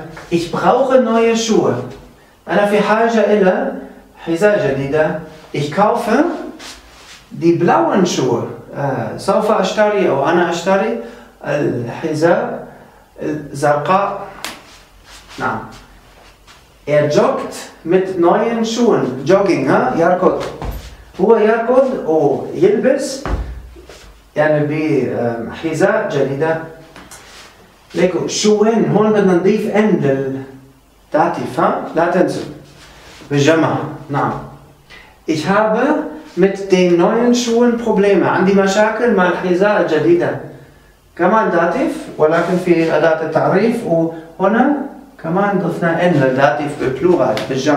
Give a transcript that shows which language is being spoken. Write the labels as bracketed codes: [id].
[de] Ich brauche neue Schuhe. [ar] أنا في حاجة إلى حذاء جديدة. [de] Ich kaufe die blauen Schuhe. [ar] سوف أشتري أو أنا أشتري الحذاء الزرقاء. نعم. [de] joggt mit neuen Schuhen. [ar] Jogging. يركض. هو يركض أو يلبس يعني بحذاء جديدة. ليكو شوين هون بدنا نضيف عند الداتيف، ها لا تنسوا بالجمع. نعم، [de] ich habe mit den neuen Schuhen Probleme، [ar] عندي مشاكل مع الحذاء الجديدة، كمان داتيف ولكن في أداة التعريف، وهنا كمان ضفنا عند الداتيف بالبلورال بالجمع.